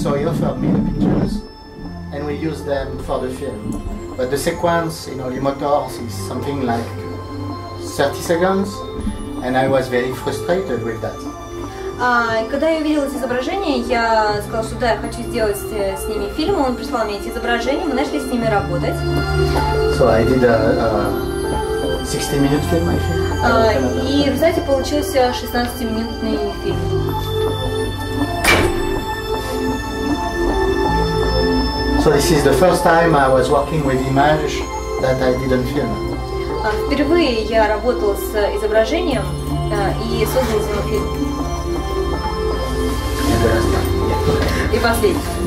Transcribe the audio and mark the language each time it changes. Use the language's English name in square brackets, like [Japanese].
[English] So he offered me the pictures, and we used them for the film. But the sequence, you know, the motors is something like 30 seconds, and I was very frustrated with that. [Russian] Когда я увидела эти изображения, я сказала, что да, я хочу сделать с ними фильм. Он прислал мне эти изображения, мы начали с ними работать. [English] So I did a 60-minute film, I think. [Russian] И в результате получился 16-минутный фильм. [English] So this is the first time I was working with image that I didn't film. [Russian] Впервые я работала с изображением и создала с ним фильм.